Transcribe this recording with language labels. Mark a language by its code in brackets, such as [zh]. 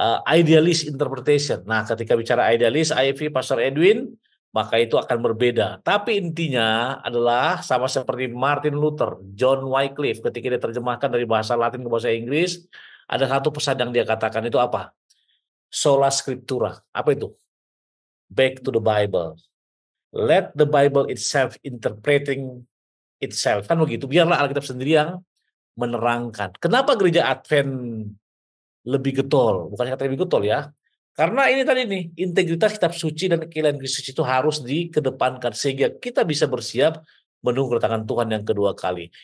[en] Idealist interpretation. [id] Nah, ketika bicara idealist, IFV Pastor Edwin, maka itu akan berbeda. Tapi intinya adalah sama seperti Martin Luther, John Wycliffe, ketika dia terjemahkan dari bahasa Latin ke bahasa Inggris, ada satu pesan yang dia katakan itu apa? [en] Sola Scriptura. [id] Apa itu? [en] Back to the Bible. Let the Bible itself interpreting itself. [id] Kan begitu. Biarlah Alkitab sendiri yang menerangkan. Kenapa gereja Advent lebih getol? Bukan kata lebih getol ya. Karena ini tadi nih, integritas kitab suci dan keilahian Kristus itu harus dikedepankan sehingga kita bisa bersiap menunggu kedatangan Tuhan yang kedua kali.